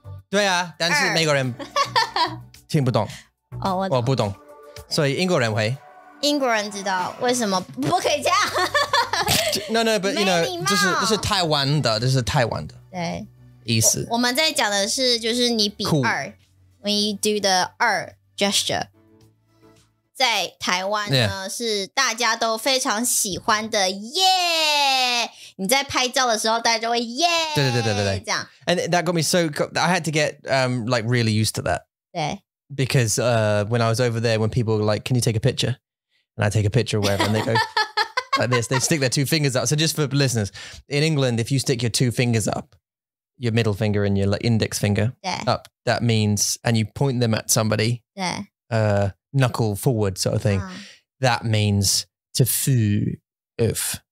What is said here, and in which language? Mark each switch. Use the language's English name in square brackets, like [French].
[Chinese] 对啊，但是美国人听不懂。哦，我不懂，所以英国人会。英国人知道为什么不可以这样。 [English] No, but you know, this is Taiwan, this is Taiwan. [Chinese] 对，意思。我们在讲的是，就是你比二， [English] when you do the 二 gesture， [Chinese] 在台湾呢是大家都非常喜欢的耶。你在拍照的时候，大家就会耶。对，这样。 [English] And that got me so I had to get like really used to that. [Chinese] 对。 [English] Because when I was over there, when people were like, "Can you take a picture?" and I take a picture or whatever, and they go. Like this, they stick their two fingers up. So just for listeners, in England, if you stick your two fingers up, your middle finger and your index finger up, that means, and you point them at somebody, knuckle forward sort of thing, that means to flimp off.